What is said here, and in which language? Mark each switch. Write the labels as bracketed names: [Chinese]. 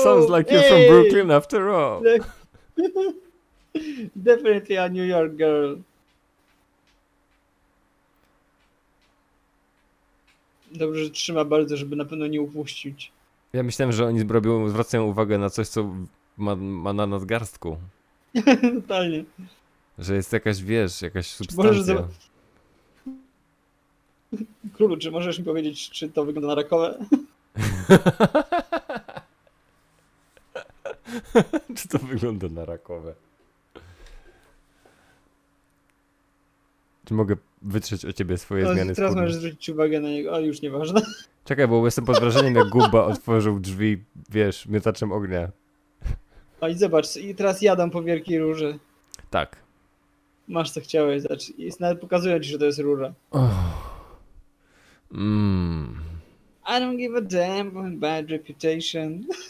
[English] Sounds like you're from Brooklyn after all. Definitely a New York girl. [Polish] Dobrze, że trzyma bardzo, żeby na pewno nie upuścić. Ja myślałem, że oni zwracają uwagę na coś, co ma na nadgarstku. Totalnie. Że jest jakaś, wiesz, jakaś substancja. Królu, czy możesz mi powiedzieć, czy to wygląda na rakowe? Czy to wygląda na rakowe? Czy mogę wytrzeć o ciebie swoje zmiany Teraz możesz zwrócić uwagę na niego, ale już nieważne. Czekaj, bo jestem pod wrażeniem, jak Gumba otworzył drzwi, wiesz, miotaczem ognia. O i zobacz, i teraz jadam po wielkiej róży. Tak. Masz co chciałeś, znaczy, nawet pokazują ci, że to jest róża. Oh. [English] I don't give a damn about bad reputation.